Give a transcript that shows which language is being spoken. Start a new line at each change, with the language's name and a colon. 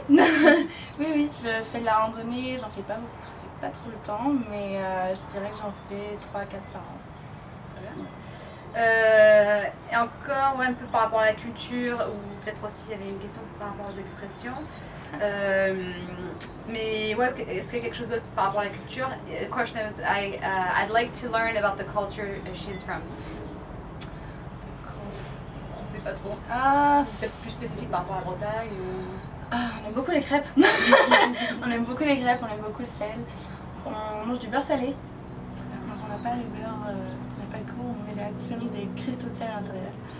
French: oui, je fais de la randonnée, j'en fais pas beaucoup, j'ai pas trop le temps, mais je dirais que j'en fais 3-4 par an. Très bien. Et encore ouais, un peu par rapport à la culture, ou peut-être aussi il y avait une question par rapport aux expressions. Mais ouais, est-ce qu'il y a quelque chose d'autre par rapport à la culture?
English: The question is, I'd like to learn about the culture she's from.
French: On sait pas trop. Peut-être plus spécifique par rapport à la Bretagne. On aime beaucoup les crêpes. On aime beaucoup les crêpes, on aime beaucoup le sel. On mange du beurre salé. Donc on n'a pas le beurre. On met actuellement des cristaux de sel à l'intérieur.